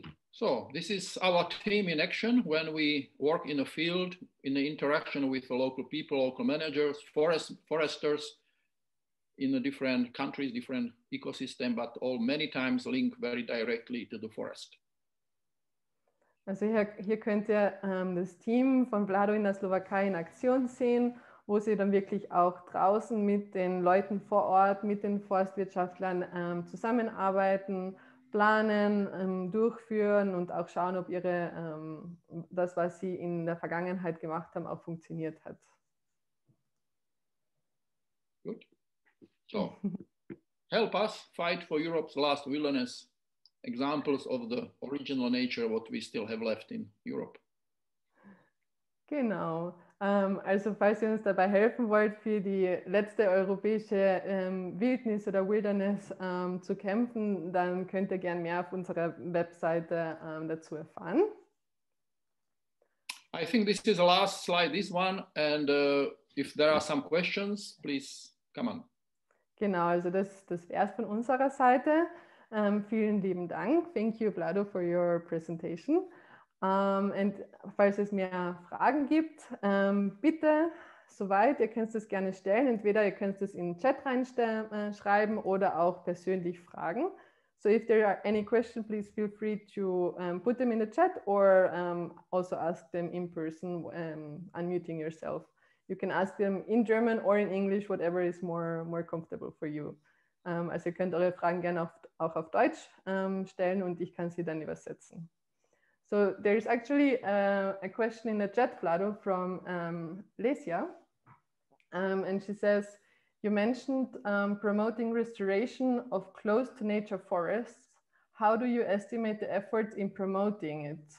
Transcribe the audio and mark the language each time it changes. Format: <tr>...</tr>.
<en>So, this is our team in action when we work in a field, in the interaction with the local people, local managers, foresters in the different countries, different ecosystem, but all many times link very directly to the forest.</en> <de>Also hier könnt ihr das Team von Vlado in der Slowakei in Aktion sehen, wo sie dann wirklich auch draußen mit den Leuten vor Ort, mit den Forstwirtschaftlern zusammenarbeiten, planen, durchführen und auch schauen, ob das, was sie in der Vergangenheit gemacht haben, auch funktioniert hat. Gut.</de> <en>So, help us fight for Europe's last wilderness. Examples of the original nature, what we still have left in Europe.</en> <de>Genau. Also falls Sie uns dabei helfen wollt, für die letzte europäische Wildnis oder Wilderness zu kämpfen, dann könnt ihr gern mehr auf unserer Webseite dazu erfahren.</de> <en>I think this is the last slide, this one, and if there are some questions, please come on.</en> <de>Genau, also das wär's von unserer Seite. Vielen lieben Dank.</de> <en>Thank you, Vlado, for your presentation.</en> <de>Und falls es mehr Fragen gibt, bitte, soweit, ihr könnt es gerne stellen. Entweder ihr könnt es in den Chat reinschreiben oder auch persönlich fragen.</de> <en>So if there are any questions, please feel free to put them in the chat or also ask them in person, unmuting yourself. You can ask them in German or in English, whatever is more comfortable for you.</en> <de>Also ihr könnt eure Fragen gerne auch auf Deutsch stellen und ich kann sie dann übersetzen.</de> <en>So there is actually a question in the chat, Vlado, from Lesia. And she says, you mentioned promoting restoration of close to nature forests. How do you estimate the effort in promoting it?</en>